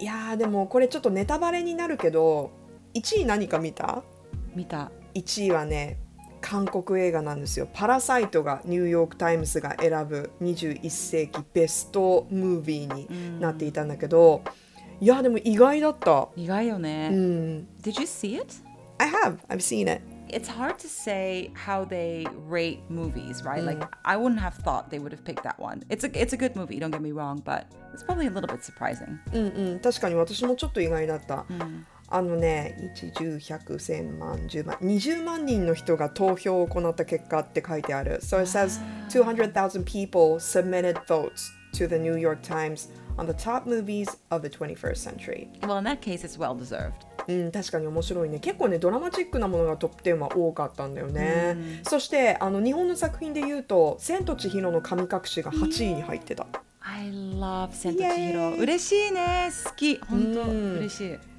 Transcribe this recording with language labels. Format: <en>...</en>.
<ja>いやでもこれちょっとネタバレになるけど、1位何か見た？見た。 1位はね韓国映画なんですよ。パラサイトがニューヨークタイムズが選ぶ21世紀ベストムービーになっていたんだけど、いやでも意外だった。意外よね、うん、</ja> <en>Did you see it? I have, I've seen it. It's hard to say how they rate movies, right? Like, I wouldn't have thought they would have picked that one. It's a good movie, don't get me wrong, but it's probably a little bit surprising.</en> <ja>うんうん、確かに私もちょっと意外だった。あのね、20万人の人が投票を行った結果って書いてある。</ja> <en>So it says 200,000 people submitted votes to the New York Times on the top movies of the 21st century. Well, in that case, it's well deserved.</en> <ja>うん、確かに面白いね。結構ね、ドラマチックなものがトップ10は多かったんだよね。そして、あの日本の作品で言うと千と千尋の神隠しが8位に入ってた。</ja> <en>I love</en> <ja>千と千尋。嬉しいね、好き。本当、嬉しい。</ja>